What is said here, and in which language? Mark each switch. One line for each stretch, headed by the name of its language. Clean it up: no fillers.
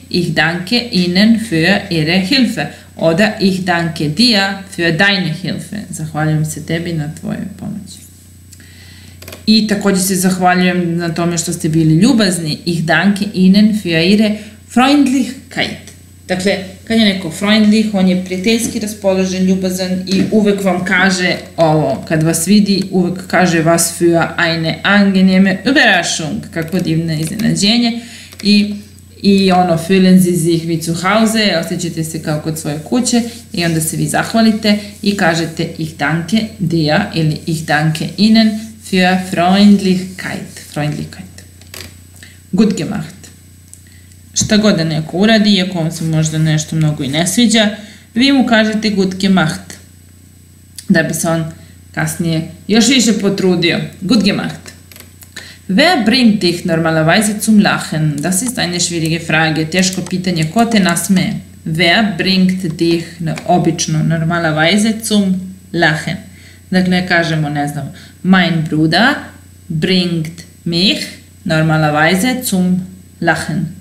German: Ich danke Ihnen für Ihre Hilfe. Oder ich danke dir für deine Hilfe.
Serbian: Zahvaljujem se tebi na tvojoj pomoći. I također se zahvaljujem na tome što ste bili ljubazni.
German: Ich danke Ihnen für Ihre Freundlichkeit.
Serbian: Dakle, kad je neko freundlich, on je prijateljski raspoložen, ljubazan i uvek vam kaže ovo. Kad vas vidi, uvek kaže
German: was für eine angenehme Überraschung.
Serbian: Kako divno iznenađenje. I ono,
German: fühlen Sie sich wie zu Hause,
Serbian: osjećate se kao kod svoje kuće i onda se vi zahvalite i kažete
German: ich danke dir
Serbian: ili
German: ich danke Ihnen für Freundlichkeit. Freundlichkeit. Gut gemacht.
Serbian: Šta god da neko uradi, iako vam se možda nešto mnogo i ne sviđa, vi mu kažete
German: gut gemacht,
Serbian: da bi se on kasnije još više potrudio.
German: Gut gemacht. Wer bringt dich normalerweise zum Lachen? Das ist eine schwierige Frage,
Serbian: teško pitanje, ko te nasmeje?
German: Wer bringt dich
Serbian: obično,
German: normalerweise zum Lachen?
Serbian: Dakle, kažemo, ne znam,
German: mein Bruder, bringt mich normalerweise zum Lachen.